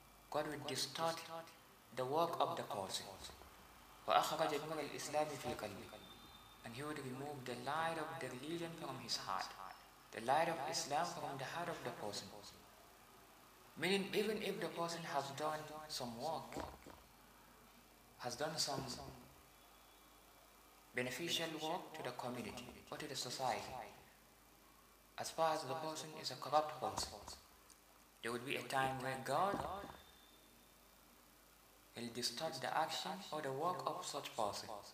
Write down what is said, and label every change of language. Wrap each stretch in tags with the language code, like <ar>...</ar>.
<en>God will distort the work of the person.</en> <ar>وأخرج نور الإسلام في قلبه.</ar> <en>And he would remove the light of the religion from his heart. The light of Islam from the heart of the person. Meaning, even if the person has done some work, has done some beneficial work to the community or to the society, as far as the person is a corrupt person, there would be a time where God will distort the action or the work of such person.</en>